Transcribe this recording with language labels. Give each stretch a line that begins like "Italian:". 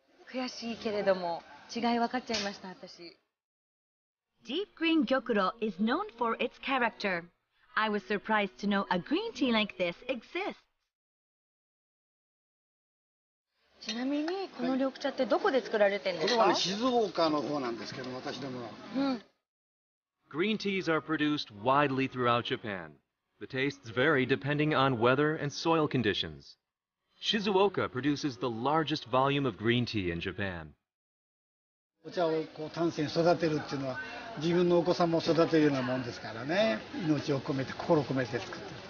Japanese: 悔しいけれども、違い分かっちゃいました、私。
English: Deep green gyokuro is known for its character. I was surprised to know a green tea like this exists.
Japanese: ちなみにこの緑茶ってどこで作られてるんですか？これは、ね、静岡の方なんですけど、私どもは、うん、
English: Green teas are produced widely throughout Japan. The tastes vary depending on weather and soil conditions. Shizuoka produces the largest volume of green tea in Japan.
Japanese: お茶をこう丹精育てるっていうのは自分のお子さんも育てるようなもんですからね。命を込めて心を込めて作ってる。